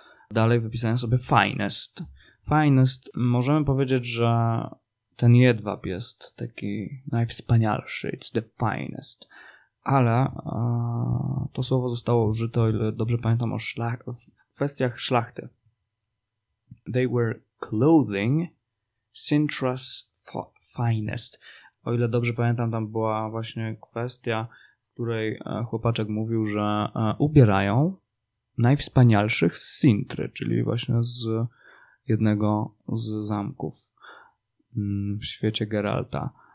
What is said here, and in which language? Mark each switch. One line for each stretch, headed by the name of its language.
Polish: Dalej wypisałem sobie finest. Finest. Możemy powiedzieć, że ten jedwab jest taki najwspanialszy.
English: It's the finest.
Polish: Ale to słowo zostało użyte, o ile dobrze pamiętam, w kwestiach szlachty.
English: They were clothing Sintra's finest.
Polish: O ile dobrze pamiętam, tam była właśnie kwestia, w której chłopaczek mówił, że ubierają najwspanialszych z Sintry, czyli właśnie z jednego z zamków w świecie Geralta.